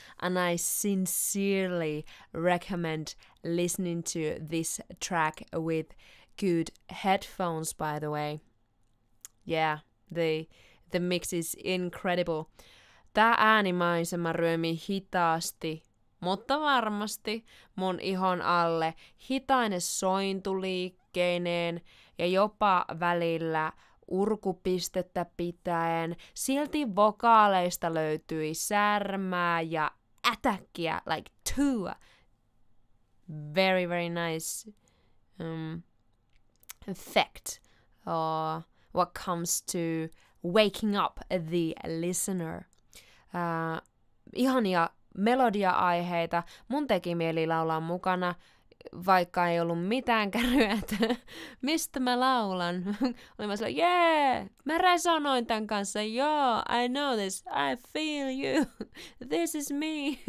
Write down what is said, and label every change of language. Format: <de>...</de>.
<en>And I sincerely recommend listening to this track with good headphones, by the way. Yeah, the mix is incredible.</en> <fi>Tää äänimaisema ryömi hitaasti, mutta varmasti mun ihon alle hitainen sointuliikkeineen ja jopa välillä urkupistettä pitäen. Silti vokaaleista löytyi särmää ja ätäkkiä,</fi> <en>like two. Very, very nice effect what comes to waking up the listener.</en> <fi>Ihania melodia-aiheita. Mun teki mieli laulaa mukana, vaikka ei ollut mitään kärryä, että mistä mä laulan. Olin mä silleen, jee, mä resonoin tän kanssa, joo,</fi> <en>I know this, I feel you, this is me.</en>